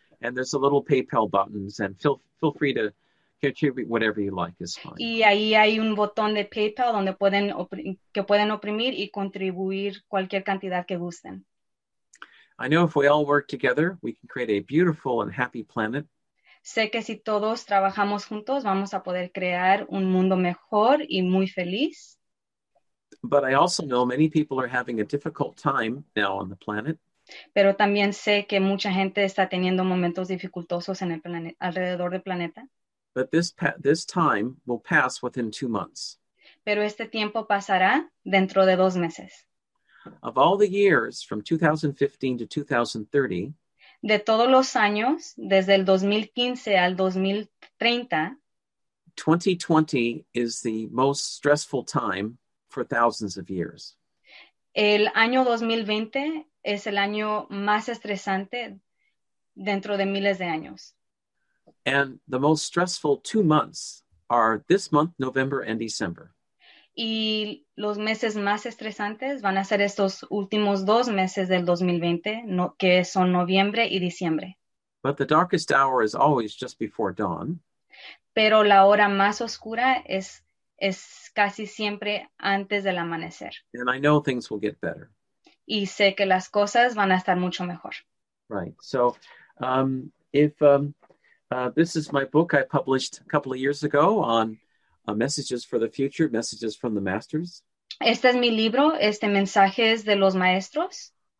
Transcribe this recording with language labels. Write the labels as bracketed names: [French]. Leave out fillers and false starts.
[English] And there's a little PayPal buttons, and feel free to contribute whatever you like is fine. [Spanish] Y ahí hay un botón de PayPal donde pueden oprimir y contribuir cualquier cantidad que gusten. [English] I know if we all work together, we can create a beautiful and happy planet. [Spanish] Sé que si todos trabajamos juntos, vamos a poder crear un mundo mejor y muy feliz. [English] But I also know many people are having a difficult time now on the planet. [Spanish] Pero también sé que mucha gente está teniendo momentos dificultosos en el planeta, alrededor del planeta. [English] But this time will pass within 2 months. [Spanish] Pero este tiempo pasará dentro de 2 meses. [English] Of all the years from 2015 to 2030, [Spanish] de todos los años desde el 2015 al 2030, [English] 2020 is the most stressful time for thousands of years. [Spanish] El año 2020 es el año más estresante dentro de miles de años. [English] And the most stressful 2 months are this month, November and December. [Spanish] Y los meses más estresantes van a ser estos últimos 2 meses del 2020, que son noviembre y diciembre. [English] But the darkest hour is always just before dawn. [Spanish] Pero la hora más oscura es casi siempre antes del amanecer. [English] And I know things will get better. [Spanish] Y sé que las cosas van a estar mucho mejor. [English] Right. So, this is my book I published a couple of years ago on messages for the future, messages from the masters. [Spanish] Este es mi libro, Mensajes de los Maestros.